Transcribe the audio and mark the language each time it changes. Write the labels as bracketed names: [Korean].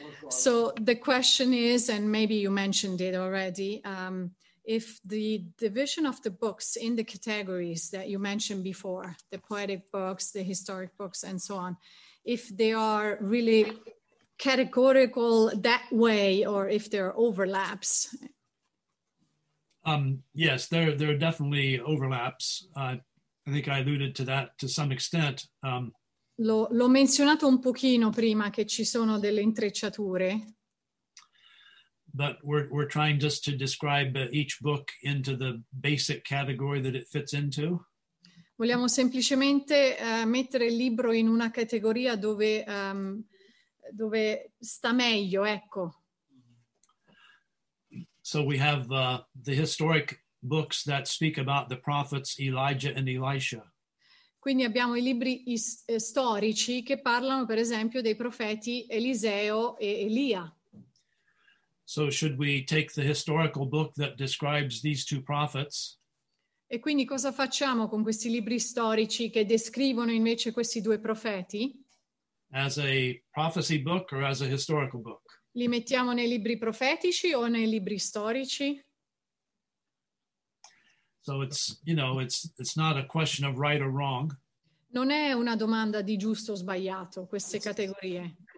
[English] So the question is, and maybe you mentioned it already, if the division of the books in the categories that you mentioned before, the poetic books, the historic books, and so on, if they are really categorical that way, or if there are overlaps? Yes, there are definitely overlaps. I think I alluded to that to some extent. [Italian] L'ho menzionato un pochino prima che ci sono delle intrecciature. [English] But we're trying just to describe each book into the basic category that it fits into. [Italian] Vogliamo semplicemente mettere il libro in una categoria dove dove sta meglio, ecco. [English] So we have the historic books that speak about the prophets Elijah and Elisha. [Italian] Quindi abbiamo i libri storici che parlano, per esempio, dei profeti Eliseo e Elia. [English] So should we take the historical book that describes these two prophets? [Italian] E quindi cosa facciamo con questi libri storici che descrivono invece questi due profeti? [English] As a prophecy book or as a historical book? [Italian] Li mettiamo nei libri profetici o nei libri storici? [English] So it's not a question of right or wrong. [Italian] Non è una domanda di giusto o sbagliato queste categorie.